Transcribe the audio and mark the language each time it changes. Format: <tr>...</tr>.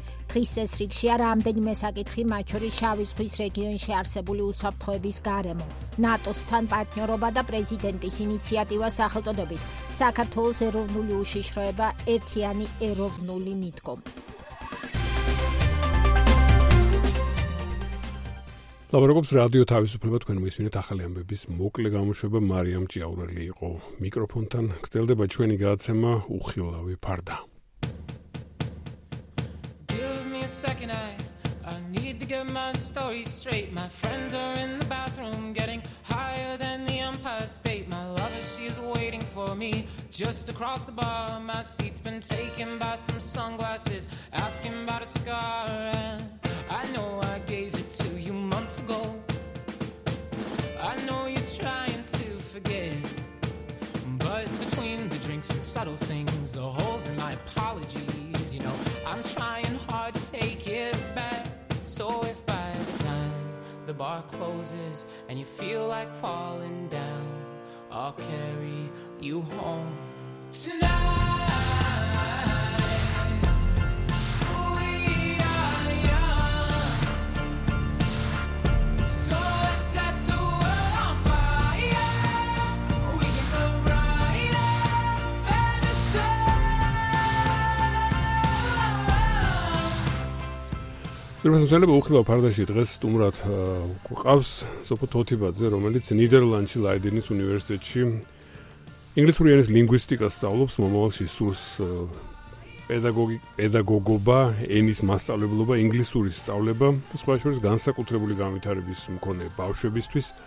<ka>დღის ეს რიგშია რამდენიმე საკითხი, მათ შორის შავი ზღვის რეგიონში არსებული უსაფრთხოების გარემო, ნატოსთან პარტნიორობა და პრეზიდენტის ინიციატივა სახელწოდებით საქართველოს ეროვნული უშიშროება ერთიანი ეროვნული მიდგომ. ლაბარაკობს რადიო თავისუფლება, თქვენ მისმინეთ ახალი ამბების მოკლე გამოშვება, მარიამ ჭიაურელი იყო მიკროფონთან, გრძელდება ჩვენი გადაცემა უხილავი ფარდა.</ka> <en>Second I need to get my story straight. My friends are in the bathroom getting higher than the Empire State. My lover, she is waiting for me just across the bar. My seat's been taken by some sunglasses asking about a scar, and I know I gave it to you months ago. I know you're trying to forget, but between the drinks and subtle things, the holes in my apologies, you know I'm trying hard to take it back. So if by the time the bar closes and you feel like falling down, I'll carry you home tonight. We are young, so let's set the world on fire. We can burn brighter than the sun.</en> <ka>მოგესალმებით, უხილავ ფარდაში დღეს სტუმრად ყავს სოფო თოთიბაძე, რომელიც ნიდერლანდში ლაიდენის უნივერსიტეტში ინგლისური ენის ლინგვისტიკას სწავლობს. მომავალში სურს პედაგოგობა, ენის მასწავლებლობა, ინგლისურის სწავლება და სხვა შორის განსაკუთრებული განვითარების მქონე ბავშვებისთვის.</ka>